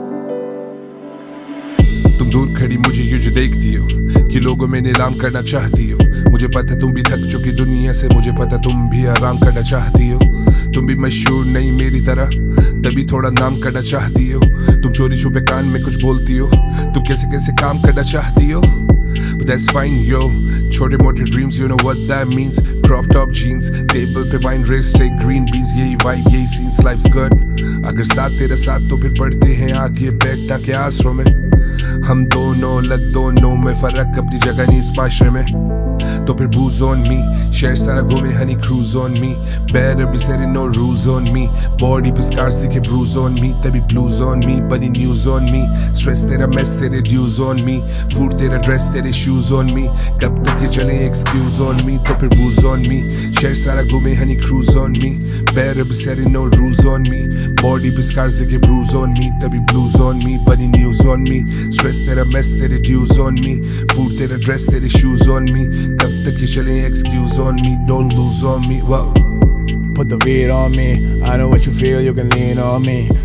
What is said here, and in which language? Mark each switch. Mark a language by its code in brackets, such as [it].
[hi] दूर खड़ी मुझे युझ देख दियो कि लोगों में नीलाम करना चाहती हो। मुझे पता है तुम भी थक चुकी दुनिया से, मुझे पता तुम भी आराम करना चाहती हो। तुम भी मशहूर नहीं मेरी तरह, तभी थोड़ा नाम करना चाहती हो। तुम चोरी छुपे कान में कुछ बोलती हो, तुम कैसे कैसे काम करना चाहती हो। [en] That's fine, yo. [hi] छोटे मोटे [en] dreams, you know what that means. Crop top jeans, table पे wine race, steak, green beans. यही vibe, यही scenes, life's good. [hi] अगर साथ तेरे साथ तो फिर पढ़ते हैं आगे बैठना के आसरों में। हम दोनों लग दोनों में फर्क अपनी जगह नहीं इस माशरे में। तो फिर [en] booze on me, [hi] शहर सारा घूमे Honey [en] cruise on me. Better be setting no rules on me. Body पे scars दिखे bruise on me. तभी blues on me, बनी news on me. Stress तेरा mess तेरे dues on me. Food तेरा dress तेरे shoes on me. [hi] कब तक ये चले [en] excuse on me. [hi] तो फिर [en] booze on me, [hi] शहर सारा घूमे Honey [en] cruise on me. Better be setting no rules on me. Body पे scars दिखे bruise on me. तभी blues on me, बनी news on me. Stress तेरा mess तेरे dues on me. Food तेरा dress तेरे shoes on me. कब तक ये चले excuse on me, don't lose on me, well. Put the weight on me, I know what you feel, you can lean on me.